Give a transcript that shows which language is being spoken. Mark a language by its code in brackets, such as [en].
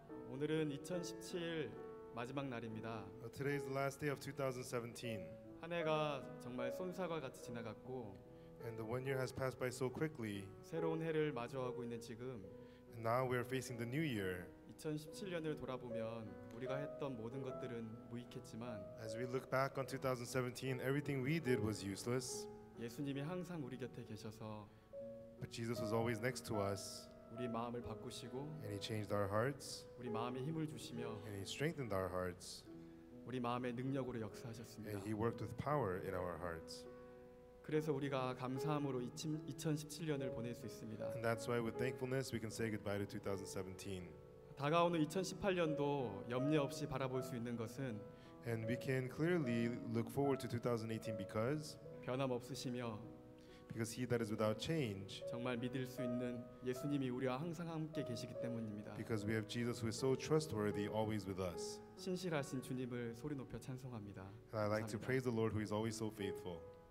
[ko] 오늘은 2017 마지막 날입니다. [en] Today is the last day of 2017. [ko] 한 해가 정말 손사과 같이 지나갔고 [en] And the one year has passed by so quickly. [ko] 새로운 해를 마주하고 있는 지금 [en] And now we are facing the new year. [ko] 2017년을 돌아보면 우리가 했던 모든 것들은 무익했지만 [en] As we look back on 2017, everything we did was useless. [ko] 예수님이 항상 우리 곁에 계셔서 [en] But Jesus was always next to us. [ko] 우리 마음을 바꾸시고 [en] And he changed our hearts. [ko] 우리 마음에 힘을 주시며 [en] And he strengthened our hearts. [ko] 우리 마음에 능력으로 역사하셨습니다. [en] And he worked with power in our hearts. [ko] 그래서 우리가 감사함으로 2017년을 보낼 수 있습니다. [en] And that's why with thankfulness we can say goodbye to 2017. [ko] 다가오는 2018년도 염려 없이 바라볼 수 있는 것은 [en] And we can clearly look forward to 2018 because [ko] 변함없으시며 [en] Because he that is without change [ko] 정말 믿을 수 있는 예수님이 우리와 항상 함께 계시기 때문입니다. [en] Because we have Jesus who is so trustworthy always with us. [ko] 신실하신 주님을 소리 높여 찬송합니다. [en] And I'd like [ko] 감사합니다. [en] To praise the Lord who is always so faithful.